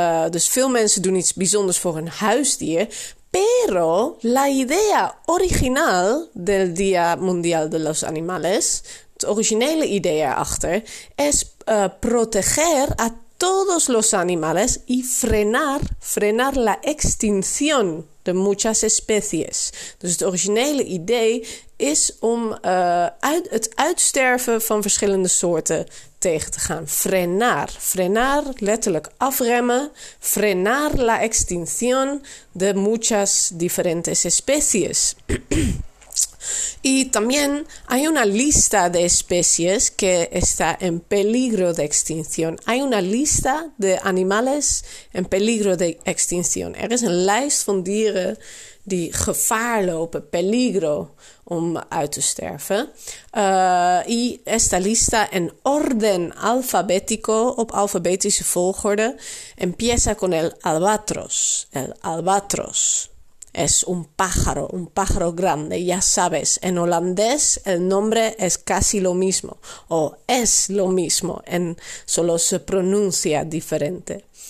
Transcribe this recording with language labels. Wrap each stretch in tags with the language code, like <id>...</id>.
<nl>Dus veel mensen doen iets bijzonders voor hun huisdier.</nl> <es>Pero la idea original del Día Mundial de los Animales,</es> <nl>de originele idee erachter,</nl> <es>es proteger a todos los animales y frenar la extinción de muchas especies.</es> <nl>Dus het originele idee is om het uitsterven van verschillende soorten tegen te gaan. Frenar, letterlijk afremmen.</nl> <es>Frenar la extinción de muchas diferentes especies. Y también hay una lista de especies que está en peligro de extinción. Hay una lista de animales en peligro de extinción.</es> <nl>Er is een lijst van dieren die gevaar lopen, peligro om uit te sterven.</nl> <es>Y esta lista en orden alfabético,</es> <nl>op alfabetische volgorde,</nl> <es>empieza con el albatros. El albatros. Es un pájaro grande, ya sabes. En holandés el nombre es casi lo mismo, o es lo mismo, solo se pronuncia diferente.</es>